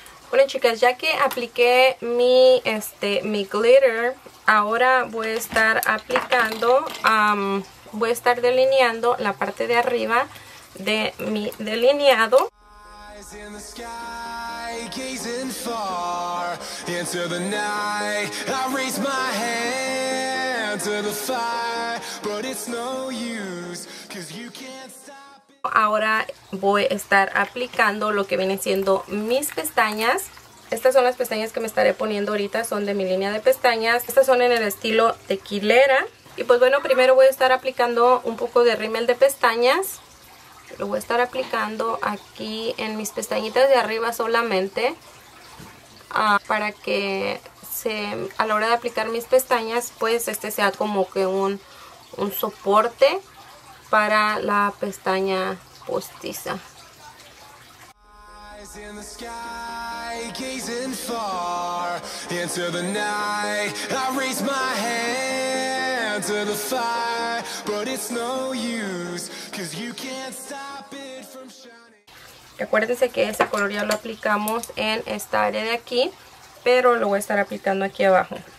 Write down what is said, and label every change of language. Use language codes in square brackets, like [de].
[es] Bueno, chicas, ya que apliqué mi glitter, ahora voy a estar aplicando, voy a estar delineando la parte de arriba de mi delineado. [en] Eyes in the sky, gazing far into the night, I raise my hand to the fire, but it's no use, 'cause you can't stop it. [es] Ahora voy a estar aplicando lo que viene siendo mis pestañas. Estas son las pestañas que me estaré poniendo ahorita, son de mi línea de pestañas. Estas son en el estilo tequilera. Y pues bueno, primero voy a estar aplicando un poco de rímel de pestañas. Lo voy a estar aplicando aquí en mis pestañitas de arriba solamente. Para que a la hora de aplicar mis pestañas, pues sea como que un soporte para la pestaña postiza. [en] In the sky, gazing far into the night, I raise my hand to the fire, but it's no use, cause you can't stop it from shining. [es] Recuérdense que ese color ya lo aplicamos en esta área de aquí, pero lo voy a estar aplicando aquí abajo.